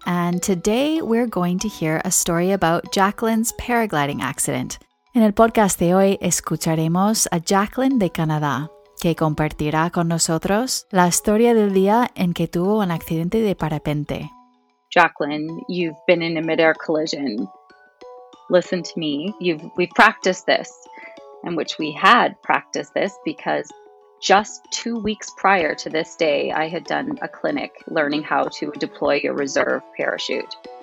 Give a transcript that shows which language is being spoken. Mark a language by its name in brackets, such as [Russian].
[English] And today we're going to hear a story about Jacqueline's paragliding accident. [Spanish] En el podcast de hoy escucharemos a Jacqueline de Canadá, que compartirá con nosotros la historia del día en que tuvo un accidente de parapente. [English] Jacqueline, you've been in a mid-air collision. Listen to me. We've practiced this, and which we had practiced this because just 2 weeks prior to this day, I had done a clinic learning how to deploy your reserve parachute.